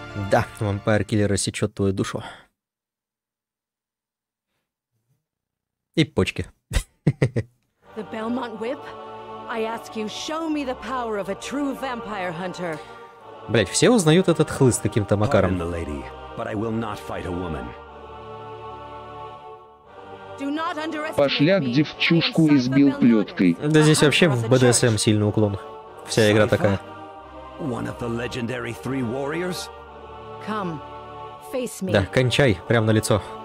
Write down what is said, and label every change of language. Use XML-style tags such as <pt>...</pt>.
<ru>Да, вампир киллер рассечет твою душу. И почки.</ru> <en>The Belmont Whip? I ask you, show me the power of a true vampire hunter.</en> <ru>Блять, все узнают этот хлыст каким-то макаром.</ru> <en>Pardon the lady, but I will not fight a woman.</en> <ru>Пошляк девчушку избил плеткой. Да здесь вообще в БДСМ сильный уклон. Вся игра такая.</ru> <en>One of the legendary three warriors? Come, face me.</en> <ru>Да, кончай, прямо на лицо.</ru>